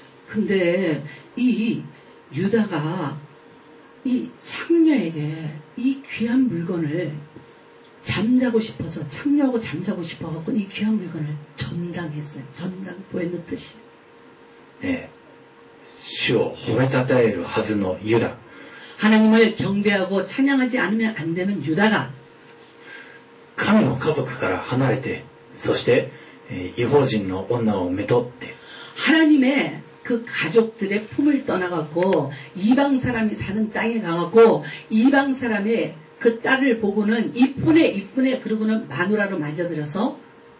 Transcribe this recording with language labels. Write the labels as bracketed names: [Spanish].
[Korean] 근데이유다가이창녀에게이귀한물건을잠자고싶어서창녀하고잠자고싶어갖고이귀한물건을전당했어요전당보냈듯이 [Japanese] 네주を褒めたたえるはずのユダ [Korean] 하나님을경배하고찬양하지않으면안되는유다가 [Japanese] 神の家族から離れてそして異邦人の女をめとって [Korean] 하나님의그가족들의품을떠나갖고이방사람이사는땅에가갖고이방사람의그딸을보고는이쁜에그러고는마누라로맞아들어서